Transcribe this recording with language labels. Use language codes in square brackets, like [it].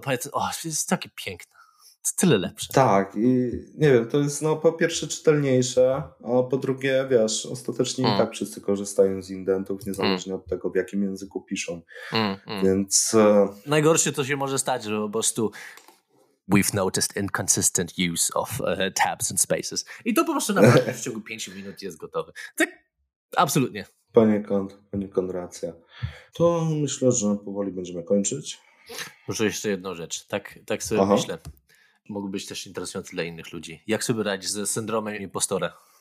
[pl] Python, jest takie piękne. To tyle lepsze. Tak. I nie wiem, to jest po pierwsze czytelniejsze, a po drugie, wiesz, ostatecznie i tak wszyscy korzystają z indentów, niezależnie od tego, w jakim języku piszą. Więc... Najgorsze to się może stać, że po prostu... [en] We've noticed inconsistent use of tabs and spaces. [pl] I to po prostu naprawdę w ciągu 5 minut jest gotowe. Tak, absolutnie. Poniekąd racja. To myślę, że powoli będziemy kończyć. Może jeszcze jedną rzecz. Tak sobie myślę. Mógłby być też interesujący dla innych ludzi. Jak sobie radzić ze syndromem impostora?